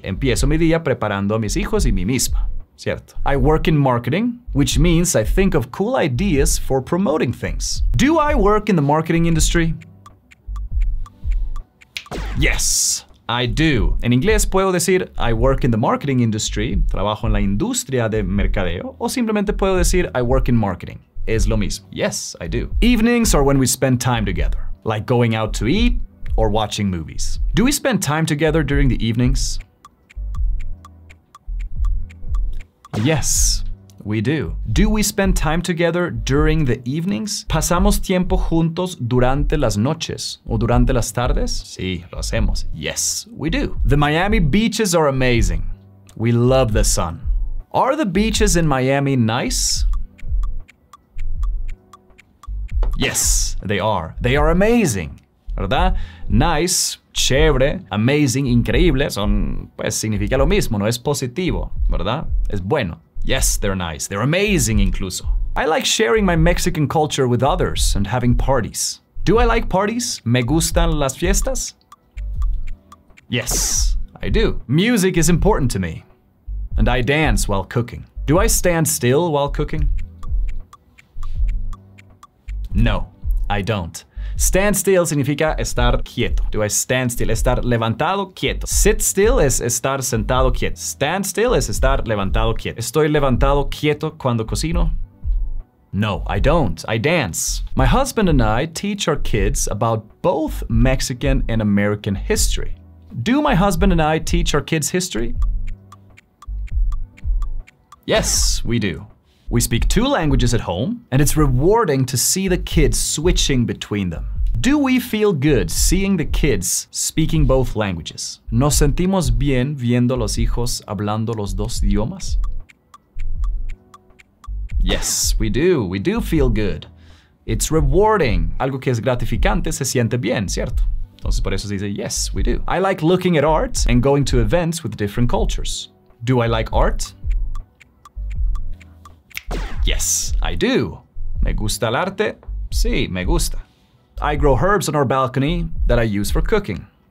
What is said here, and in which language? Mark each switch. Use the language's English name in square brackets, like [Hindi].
[Spanish] Empiezo mi día preparando a mis hijos y mi misma. Cierto. [English] I work in marketing, which means I think of cool ideas for promoting things. Do I work in the marketing industry? Yes, I do. [Spanish] En inglés puedo decir, [English] I work in the marketing industry. [Spanish] Trabajo en la industria de mercadeo. O simplemente puedo decir, [English] I work in marketing. [Spanish] Es lo mismo. [English] Yes, I do. Evenings are when we spend time together, like going out to eat or watching movies. Do we spend time together during the evenings? Yes, we do. Do we spend time together during the evenings? [Spanish] ¿Pasamos tiempo juntos durante las noches o durante las tardes? Sí, lo hacemos. [English] Yes, we do. The Miami beaches are amazing. We love the sun. Are the beaches in Miami nice? Yes, they are. They are amazing. [Spanish] ¿Verdad? Nice, chévere, amazing, increíble, son, pues, significa lo mismo, no es positivo, ¿verdad? Es bueno. [English] Yes, they're nice. They're amazing, incluso. I like sharing my Mexican culture with others and having parties. Do I like parties? [Spanish] ¿Me gustan las fiestas? [English] Yes, I do. Music is important to me. And I dance while cooking. Do I stand still while cooking? No, I don't. Stand still [Spanish] significa estar quieto. [English] Do I stand still? [Spanish] Estar levantado, quieto. [English] Sit still [Spanish] es estar sentado, quieto. [English] Stand still [Spanish] es estar levantado, quieto. ¿Estoy levantado, quieto cuando cocino? [English] No, I don't. I dance. My husband and I teach our kids about both Mexican and American history. Do my husband and I teach our kids history? Yes, we do. We speak two languages at home, and it's rewarding to see the kids switching between them. Do we feel good seeing the kids speaking both languages? [Spanish] ¿Nos sentimos bien viendo los hijos hablando los dos idiomas? [English] Yes, we do. We do feel good. It's rewarding. [Spanish] Algo que es gratificante se siente bien, ¿cierto? Entonces por eso se dice, [English] yes, we do. I like looking at art and going to events with different cultures. Do I like art? Yes, I do. [Spanish] ¿Me gusta el arte? Sí, me gusta. [English] I grow herbs on our balcony that I use for cooking.